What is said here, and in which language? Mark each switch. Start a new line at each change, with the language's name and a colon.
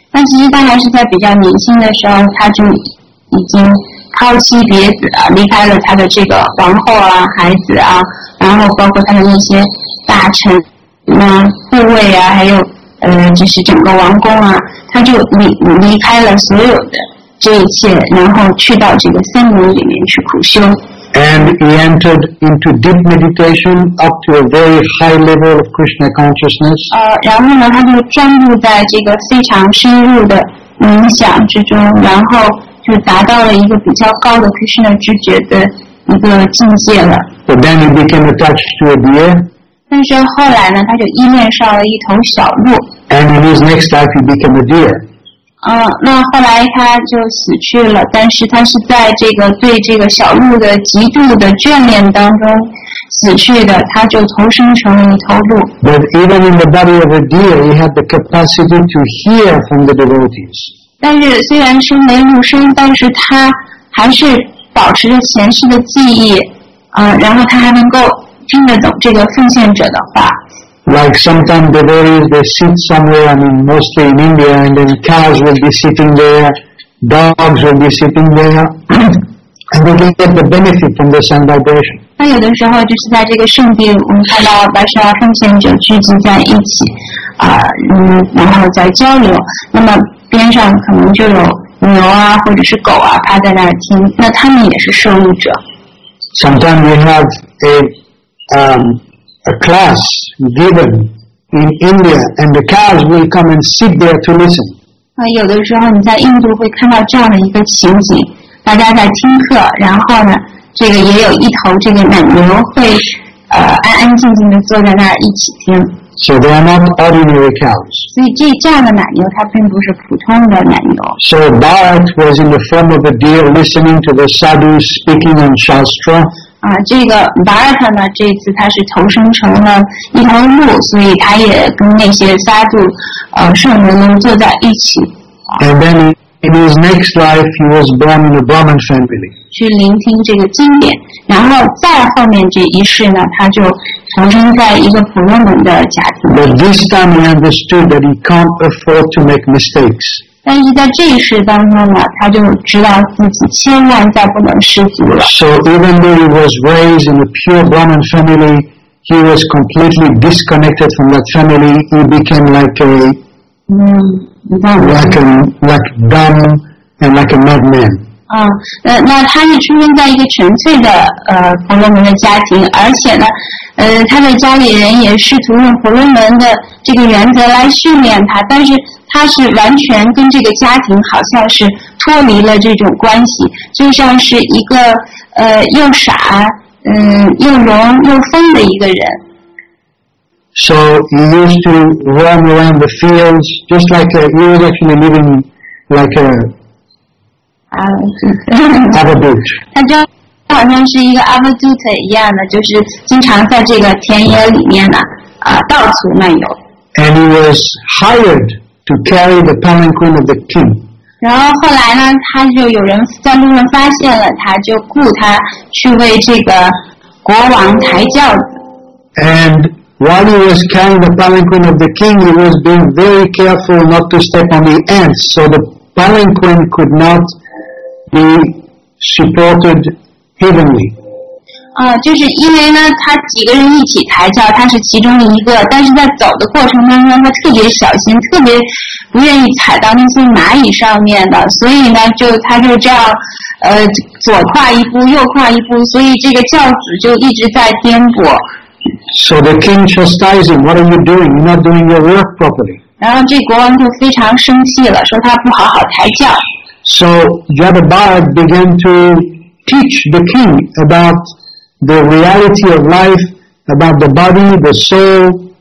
Chinese: 但其实他还是在比较年轻的时候，他就已经抛妻别子啊，离开了他的这个皇后啊、孩子啊，然后包括他的那些大臣啊、护卫啊，还有就是整个王宫啊，他就离开了所有的这一切，然后去到这个森林里面去苦修。
English: And he entered into deep meditation up to a very high level of Krishna consciousness.
Chinese: 然后呢，他就专注在这个非常深入的冥想之中，然后。就达到了一个比较高的 Krishna 知觉的一个境界了。
English: But then he became attached to a deer.
Chinese: 但是后来呢，他就依恋上了一头小鹿。
English: And in his next life, he became a deer.
Chinese: 那后来他就死去了，但是他是在这个对这个小鹿的极度的眷恋当中死去的，他就投生成了一头鹿。
English: But even in the body of a deer, he had the capacity to hear from the devotees.
Chinese: 但是虽然生为鹿身，但是他还是保持着前世的记忆，然后他还能够听得懂这个奉献者的话。
English: Like sometimes devotees, they sit somewhere. I mean, mostly in India, and then cows will be sitting there, dogs will be sitting there, and they will get the benefit from the sound vibration.
Chinese: 那有的时候就是在这个圣地，我们看到白沙奉献者聚集在一起，然后在交流，那么。边上可能就有牛啊，或者是狗啊，趴在那儿听，那他们也是受益者。
English: Sometimes we have a class given in India, and the cows will come and sit there to listen.
Chinese: 有的时候你在印度会看到这样的一个情景，大家在听课，然后呢，这个也有一头这个奶牛会安安静静的坐在那儿一起听。
English: So they are not ordinary cows.
Chinese: 所以这样的奶牛，它并不是普通的奶牛。
English: So Bharat was in the form of a deer, listening to the sadhus speaking in shastra.
Chinese: 这个 Bharat 呢，这次他是投生成了一头鹿，所以他也跟那些sadhu圣人们坐在一起。
English: And then in his next life, he was born in a Brahmin family.
Chinese: 去聆听这个经典。然后再后面这一世呢，他就投生在一个婆罗门的家庭。
English: But this time he understood that he can't afford to make mistakes.
Chinese: 但是在这一世当中呢，他就知道自己千万再不能失足了。
English: So even though he was raised in a pure Brahmin family, he was completely disconnected from that family. He became like dumb and like a madman.
Chinese: 那他是出生在一个纯粹的婆罗门的家庭，而且呢，他的家里人也试图用婆罗门的这个原则来训练他，但是他是完全跟这个家庭好像是脱离了这种关系，就像是一个又傻又聋又疯的一个人。
English: So he used to roam around the fields just like a, he was actually living like a.
Chinese: 他就好像是一个 avadut 一样的，就是经常在这个田野里面呢，到处漫游。
English: And he was hired to carry the palanquin of the king.
Chinese: 然后后来呢，他就有人在路上发现了他，就雇他去为这个国王抬轿子。
English: And while he was carrying the palanquin of the king, he was being very careful not to step on the ants, so the palanquin could not.Be supported heavenly.
Chinese: 就是因为呢，他几个人一起抬轿，他是其中的一个，但是在走的过程当中，他特别小心，特别不愿意踩到那些蚂蚁上面的，所以呢，就他就这样，左跨一步，右跨一步，所以这个轿子就一直在颠簸。
English: So the king chastising, what are you doing? You're not doing your work properly.
Chinese: 然后这国王就非常生气了，说他不好好抬轿。
English: So Jadabad began to teach the king about the reality of life, about the body, the soul.